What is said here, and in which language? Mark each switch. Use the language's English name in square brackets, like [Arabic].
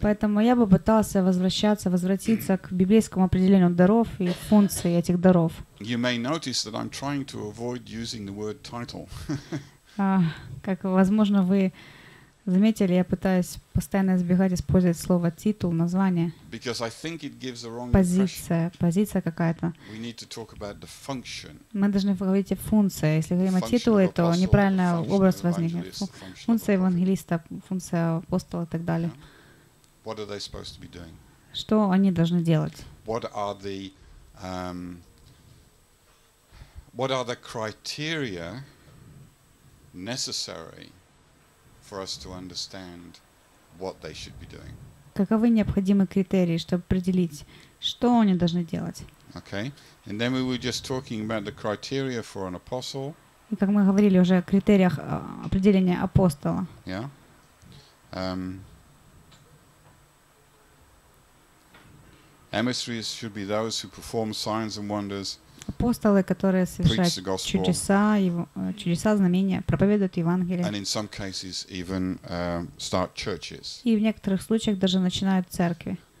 [Russian] Поэтому я бы пытался возвратиться к библейскому определению даров и функции этих даров. [English] You may notice that I'm trying to avoid using the word title. [Russian] Как возможно вы Заметили, я пытаюсь постоянно избегать использовать слово «титул», название. [English] Because I think it gives the wrong [Russian] позиция, позиция какая-то. [English] We need to talk about the function. [Russian] Мы должны говорить о функции. Если говорим о титуле, то неправильный образ возникнет. Функция евангелиста, функция апостола и так далее. [English] Yeah. What are they supposed to be doing? [Russian] Что они должны делать? [English] What are the, what are the criteria necessary for us to understand what they should be doing? [Russian] Каковы необходимые критерии, чтобы определить, что они должны делать? [English] Okay. And then we were just talking about the criteria for an apostle. [Russian] И как мы говорили уже о критериях определения апостола. [English] Yeah. Emissaries should be those who perform signs and wonders. [Russian] Апостолы, которые совершают чудеса, знамения, проповедуют Евангелие. [English] Even, [Russian] и в некоторых случаях даже начинают церкви.